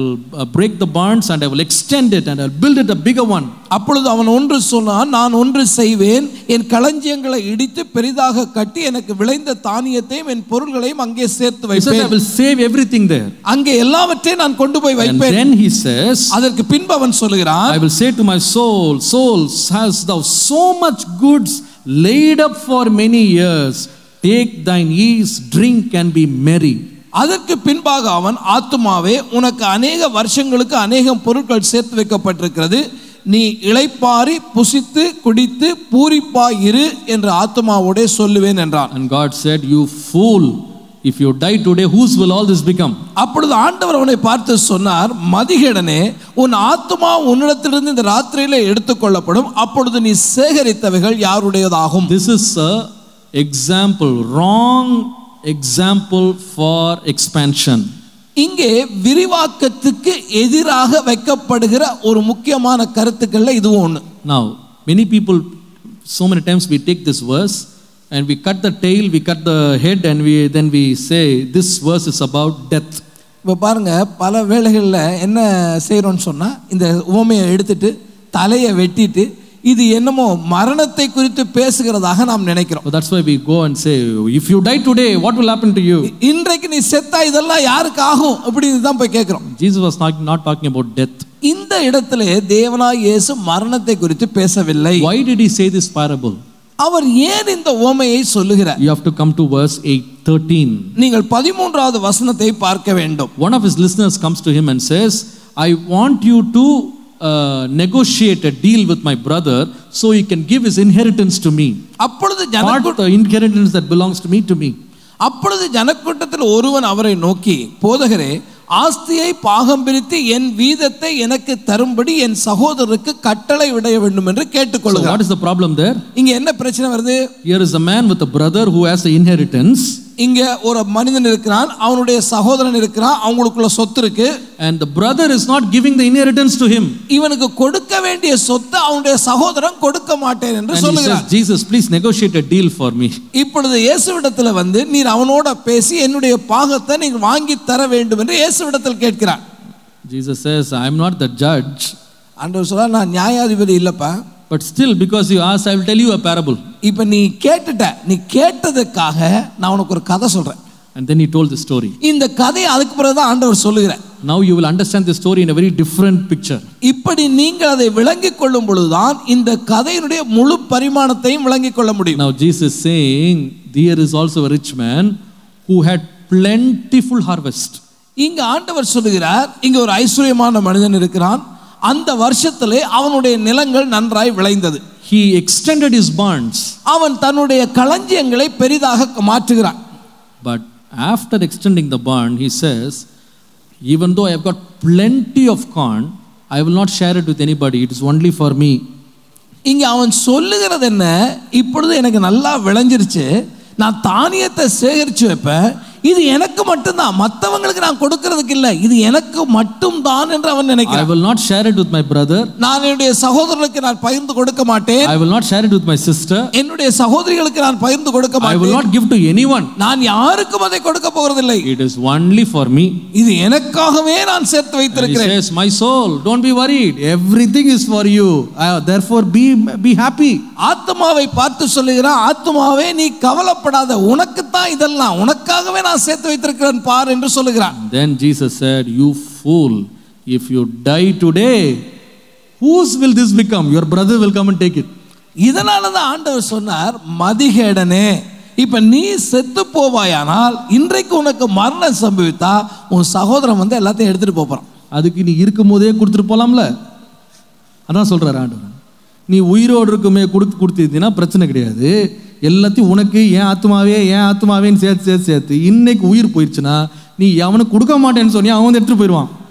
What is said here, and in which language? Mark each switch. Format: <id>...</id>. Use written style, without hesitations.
<en>I will break the bonds and I will extend it and I'll build it a bigger one.</en> <ta>அப்பொழுது அவன் ஒன்று சொன்னான், நான் ஒன்று செய்வேன், என் களஞ்சியங்களை இடித்து பெரிதாக கட்டி எனக்கு விளைந்த தானியத்தையும் என் பொருள்களையும் அங்கே சேர்த்து வைப்பேன்.</ta> <en>He says, I will save everything there.</en> <ta>அங்கே எல்லாவற்றையும் நான் கொண்டு போய் வைப்பேன்.</ta> <en>And then he says,</en> <ta>அதற்கு பின்பு அவன் சொல்கிறான்,</ta> <en>I will say to my soul, has thou so much goods laid up for many years, take thine ease, drink and be merry.</en> <ta>அதற்கு பின்பாக அவன், ஆத்துமாவே, உனக்கு அநேக வருஷங்களுக்கு அநேகம் பொருட்கள் சேர்த்து வைக்கப்பட்டிருக்கிறது, நீ இளைப்பாறி புசித்து குடித்து பூரிப்பாயிரு என்று ஆத்துமாவோட சொல்லுவேன் என்றான்.</ta> <en>And God said, you fool, if you die today, whose will all this become?</en> <ta>அப்பொழுது ஆண்டவர் அவனை பார்த்து சொன்னார், மதிகடனே, உன் ஆத்மா உன்னிடத்திலிருந்து இந்த ராத்திரியிலே எடுத்துக்கொள்ளப்படும், அப்பொழுது நீ சேகரித்தவைகள் யாருடையதாகும்?</ta> <en>This is a example, wrong example for expansion.</en> <ta>இங்கே விரிவாக்கத்துக்கு எதிராக வைக்கப்படுகிற ஒரு முக்கியமான கருத்துக்கள்ல இதுவும் ஒன்று.</ta> <en>Now, many people So many times we take this verse and we cut the tail, we cut the head, and we say this verse is about death.</en> <ta>பாருங்க, பல வேளைகளில் என்ன செய்யறோம்னு சொன்னா, இந்த உவமையை எடுத்துட்டு தலையை வெட்டிட்டு இது என்னமோ மரணத்தை குறித்து பேசுகிறதாக நாம் நினைக்கிறோம்.</ta> <en>That's why we go and say, if you die today, what will happen to you?</en> <ta>இன்றைக்கு நீ செத்தா இதெல்லாம் யாருக்கு ஆகும் அப்படின்னு தான் போய் கேட்கிறோம்.</ta> <en>Jesus was not talking about death.</en> <ta>இந்த இடத்துல தேவனாய் இயேசு மரணத்தை குறித்து பேசவில்லை.</ta> <en>Why did he say this parable?</en> <ta>அவர் ஏன் இந்த உவமையை சொல்லுகிறார்?</ta> <en>You have to come to verse 8:13.</en> <ta>நீங்கள் 13வது வசனத்தை பார்க்க வேண்டும்.</ta> <en>One of his listeners comes to him and says, I want you to negotiate a deal with my brother so he can give his inheritance to me.</en> <ta>அப்பொழுது ஜனக்கூட்டம்</ta> <en>the inheritance that belongs to me to me.</en> <ta>அப்பொழுது ஜனக்கூட்டத்தில் ஒருவன் அவரை நோக்கி, போதகரே, ஆஸ்தியை பாகம் பிரித்து என் வீதத்தை எனக்கு தரும்படி என் சகோதரருக்கு கட்டளை விட வேண்டும் என்று கேட்டுக்கொள்கிறார்.</ta> <en>What is the problem there?</en> <ta>இங்க என்ன பிரச்சனை வருது?</ta> <en>Here is a man with a brother who has an inheritance.</en> <ta>இங்க ஒரு மனிதன் இருக்கிறான், அவனுடைய சகோதரன் இருக்கிறான், அவங்களுக்குள்ள சொத்து இருக்கு.</ta> <en>And the brother is not giving the inheritance to him.</en> <ta>இவனுக்கு கொடுக்க வேண்டிய சொத்து அவனுடைய சகோதரன் கொடுக்க மாட்டேன் என்று சொல்கிறான்.</ta> <en>And he says, Jesus, please negotiate a deal for me.</en> <ta>இப்பொழுது இயேசுவிடத்தில் வந்து நீர் அவனோட பேசி என்னுடைய பாகத்தை நீங்க வாங்கி தர வேண்டும் என்று இயேசுவிடத்தில் கேட்கிறார்.</ta> <en>Jesus says, I am not the judge.</en> <ta>ஆண்டவர் சொல்றார், நான் நியாயாதிபதி இல்லப்பா.</ta> <en>But still, because you asked, I will tell you a parable.</en> <ta>இப்ப நீ கேட்டட நீ கேட்டதுக்காக நான் உனக்கு ஒரு கதை சொல்றேன்.</ta> <en>And then he told the story.</en> <ta>இந்த கதையை அதுக்கு பிறகு தான் ஆண்டவர் சொல்லுகிறார்.</ta> <en>Now you will understand the story in a very different picture.</en> <ta>இப்படி நீங்கள் அதை விளங்கிக் கொள்ளும் பொழுதுதான் இந்த கதையினுடைய முழு பரிமாணத்தையும் விளங்கிக் கொள்ள முடியும்.</ta> <en>Now Jesus is saying, there is also a rich man who had plentiful harvest.</en> <ta>இங்க ஆண்டவர் சொல்லுகிறார், இங்க ஒரு ஐஸ்வர்யமான மனிதன் இருக்கிறான். அந்த வருஷத்திலே அவனுடைய நிலங்கள் நன்றாய் விளைந்தது.</ta> <en>He extended his barns.</en> <ta>அவன் தன்னுடைய களஞ்சியங்களை பெரிதாக மாற்றுகிறான்.</ta> <en>But after extending the barn, he says, even though I have got plenty of corn, I will not share it with anybody. It is only for me.</en> <ta>இங்க அவன் சொல்லுகிறது என்ன? இப்பொழுது எனக்கு நல்லா விளைஞ்சிருச்சு, நான் தானியத்தை சேகரிச்சு வைப்பேன், இது எனக்கு மட்டும்தான், மற்றவங்களுக்கு நான் கொடுக்கிறதுக்கு இல்ல, இது எனக்கு மட்டும்தான் என்று அவன் நினைக்கிறான்.</ta> <en>I will not share it with my brother.</en> <ta>நான் என்னுடைய சகோதரருக்கு நான் பகிர்ந்து கொடுக்க மாட்டேன்.</ta> <en>I will not share it with my sister.</en> <ta>என்னுடைய சகோதரிகளுக்கு நான் பகிர்ந்து கொடுக்க மாட்டேன்.</ta> <en>I will not give to anyone.</en> <ta>நான் யாருக்கும் அதை கொடுக்க போறதில்லை.</ta> <en>It is only for me.</en> <ta>இது எனக்காகவே நான் சேர்த்து வைத்திருக்கிறேன்.</ta> <en>He says, my soul, don't be worried, everything is for you, therefore be happy.</en> <ta>ஆத்மாவை பார்த்து சொல்லுகிறான், ஆத்மாவே நீ கவலைப்படாத, உனக்கு தான் இதெல்லாம், உனக்காகவே நான் சேர்த்து வைத்திருக்கிறேன் பார் என்று சொல்கிறான்.</ta> <en>Then Jesus said, you fool, if you die today, whose will this become? Your brother will come and take it.</en> <ta>இதனால தான் ஆண்டவர் சொன்னார், மதிகேடனே, இப்ப நீ செத்து போவாயானால் இன்றைக்கு உனக்கு மரணம் சம்பவித்தா உன் சகோதரன் வந்து எல்லாத்தையும் எடுத்துட்டு போறான். அதுக்கு நீ இருக்கும்போதே கொடுத்துட்டு போலாம்ல, அதான் சொல்றாரு ஆண்டவர். நீ உயிரோடு இருக்குமே கொடுத்துனா பிரச்சனை கிடையாது, எல்லாத்தையும் உனக்கு ஏன் ஆத்மாவே ஏன் ஆத்மாவேன்னு சேர்த்து இன்னைக்கு உயிர் போயிடுச்சுன்னா நீ அவனுக்கு கொடுக்க மாட்டேன்னு சொன்னி அவன் வந்து எடுத்துகிட்டு போயிடுவான்.</ta>